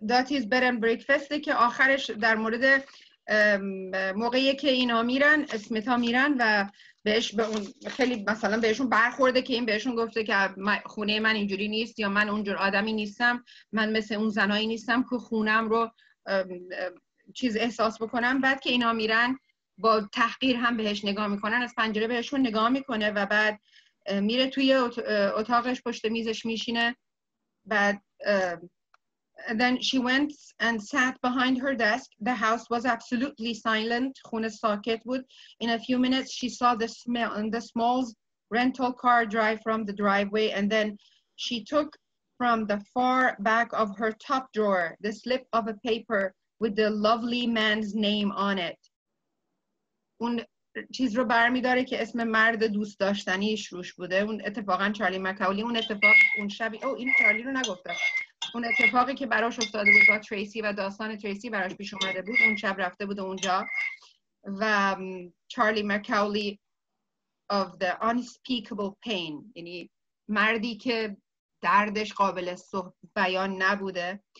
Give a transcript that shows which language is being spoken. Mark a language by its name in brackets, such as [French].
[English] That is bed and breakfast [Persian] که آخرش در مورد موقعی که اینا میرن، اسمیتا میرن و بهش به اون خیلی مثلا بهشون برخورده که این بهشون گفته که خونه من اینجوری نیست یا من اونجور آدمی نیستم، من مثل اون زنایی نیستم که خونم رو چیز احساس بکنم. بعد که اینا میرن با تحقیر هم بهش نگاه میکنن، از پنجره بهشون نگاه میکنه و بعد میره توی اتاقش پشت میزش میشینه. [English] بعد then she went and sat behind her desk. The house was absolutely silent. [Persian] خونه ساکت بود. [English] In a few minutes she saw the small's rental car drive from the driveway and then she took from the far back of her top drawer the slip of a paper with the lovely man's name on it. [Persian] اون چیز رو برمیداره که اسم مرد دوست داشتنیش روش بوده. اون اتفاقا چارلی مکاولی، اون اتفاق اون شبی او این چارلی رو نگفته، اون اتفاقی که براش افتاده بود با تریسی و داستان تریسی براش پیش اومده بود، اون شب رفته بود اونجا و چارلی مکاولی [English] of the unspeakable pain، [Persian] یعنی مردی که دردش قابل بیان نبوده.